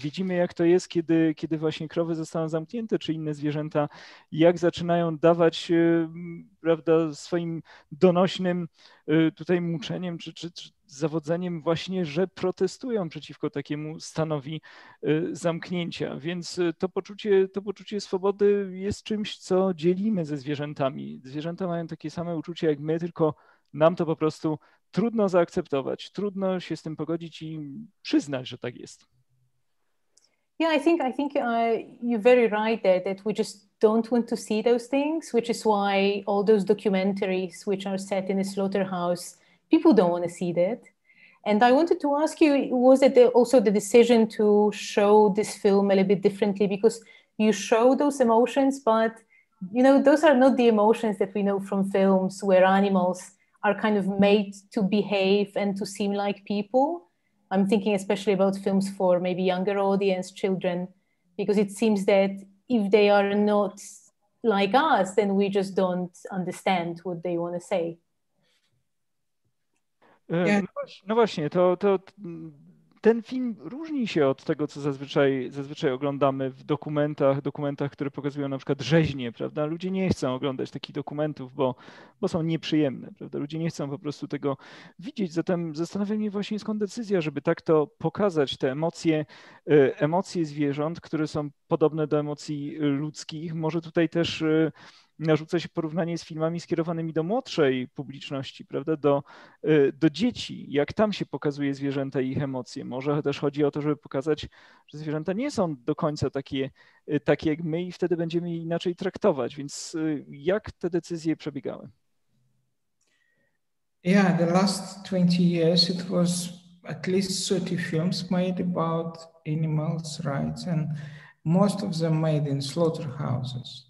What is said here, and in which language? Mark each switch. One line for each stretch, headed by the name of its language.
Polish: Widzimy, jak to jest, kiedy właśnie krowy zostaną zamknięte, czy inne zwierzęta, jak zaczynają dawać, prawda, swoim donośnym tutaj muczeniem, czy zawodzeniem właśnie, że protestują przeciwko takiemu stanowi zamknięcia. Więc to poczucie swobody jest czymś, co dzielimy ze zwierzętami. Zwierzęta mają takie same uczucie jak my, tylko nam to po prostu trudno zaakceptować, trudno się z tym pogodzić i przyznać, że tak jest.
English: Yeah, I think you're very right there, that we just don't want to see those things, which is why all those documentaries which are set in a slaughterhouse, people don't want to see that. And I wanted to ask you, was it also the decision to show this film a little bit differently? Because you show those emotions, but those are not the emotions that we know from films where animals are kind of made to behave and to seem like people. I'm thinking especially about films for maybe younger audience, children, because it seems that if they are not like us, then we just don't understand what they want to say.
Polish: No właśnie, to ten film różni się od tego, co zazwyczaj oglądamy w dokumentach, które pokazują na przykład rzeźnie, prawda? Ludzie nie chcą oglądać takich dokumentów, bo są nieprzyjemne, prawda? Ludzie nie chcą po prostu tego widzieć. Zatem zastanawia mnie właśnie, skąd decyzja, żeby tak to pokazać, te emocje zwierząt, które są podobne do emocji ludzkich. Może tutaj też narzuca się porównanie z filmami skierowanymi do młodszej publiczności, prawda, do dzieci, jak tam się pokazuje zwierzęta i ich emocje. Może też chodzi o to, żeby pokazać, że zwierzęta nie są do końca takie jak my i wtedy będziemy je inaczej traktować. Więc jak te decyzje przebiegały?
English: Yeah, the last 20 years it was at least 30 films made about animals' rights, and most of them made in slaughterhouses.